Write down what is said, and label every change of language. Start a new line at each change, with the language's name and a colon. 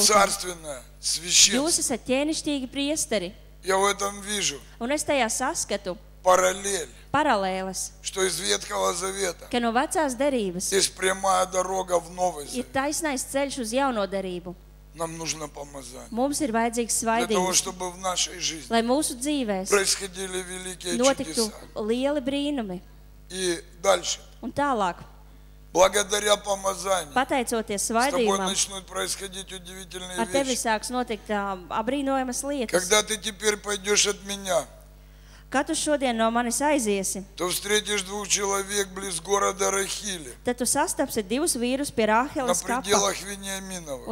Russian: Вы царственное священство.
Latvian: Jūs esat ķēnišķīgi priesteri.
Russian: Я в этом вижу.
Latvian: Un es tajā saskatu.
Russian: Параллель.
Latvian: Paralēles.
Russian: Что из Ветхого Завета.
Latvian: Ka no vecās derības.
Russian: Есть прямая дорога в новый завет.
Latvian: Ir taisnais ceļš uz jauno derību.
Russian: Нам нужно помазание.
Latvian: Mums ir vajadzīgs svaidījums.
Russian: Для того, чтобы в нашей жизни.
Latvian: Lai mūsu dzīvēs.
Russian: Происходили великие чудеса.
Latvian: Notiktu lieli brīnumi.
Russian: И дальше.
Latvian: Un tālāk.
Russian: Благодаря помазанию.
Latvian: Pateicoties svaidījumam.
Russian: С тобой начнут происходить удивительные вещи.
Latvian: Ar tevi sāks notikt abrīnojamas lietas.
Russian: Когда ты теперь пойдёшь от меня.
Latvian: Kad tu šodien no manis aiziesi.
Russian: Tu встретишь двух человек близ города Рахили.
Latvian: Tad tu sastapsi divus vīrus pie Rāheles kapa.
Russian: На пределах Виньяминова.